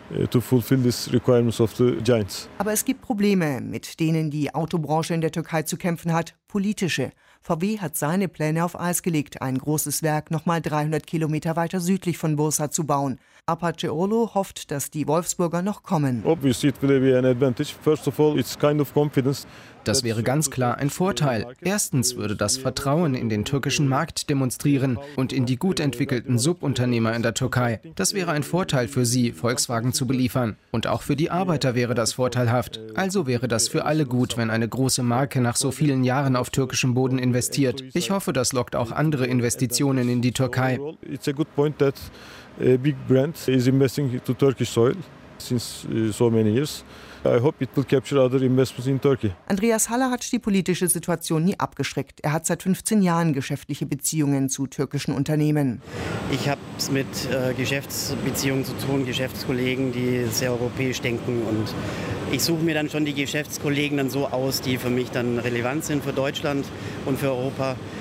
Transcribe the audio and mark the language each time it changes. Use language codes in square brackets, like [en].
[en] To fulfill these requirements of the giants. [de] Aber es gibt Probleme, mit denen die Autobranche in der Türkei zu kämpfen hat, politische. VW hat seine Pläne auf Eis gelegt, ein großes Werk noch mal 300 Kilometer weiter südlich von Bursa zu bauen. Apache Orlu hofft, dass die Wolfsburger noch kommen. [en] Obviously it will be an advantage. First of all, it's kind of confidence. [de] Das wäre ganz klar ein Vorteil. Erstens würde das Vertrauen in den türkischen Markt demonstrieren und in die gut entwickelten Subunternehmer in der Türkei. Das wäre ein Vorteil für sie, Volkswagen zu beliefern. Und auch für die Arbeiter wäre das vorteilhaft. Also wäre das für alle gut, wenn eine große Marke nach so vielen Jahren auf türkischem Boden investiert. Ich hoffe, das lockt auch andere Investitionen in die Türkei. [en] It's a good point that a big brand is investing to Turkish soil since so many years. I hope it will capture other investments in Turkey. [de] Andreas Haller hat die politische Situation nie abgeschreckt. Er hat seit 15 Jahren geschäftliche Beziehungen zu türkischen Unternehmen. Ich habe es mit Geschäftsbeziehungen zu tun, Geschäftskollegen, die sehr europäisch denken. Und ich suche mir dann schon die Geschäftskollegen dann so aus, die für mich dann relevant sind für Deutschland und für Europa.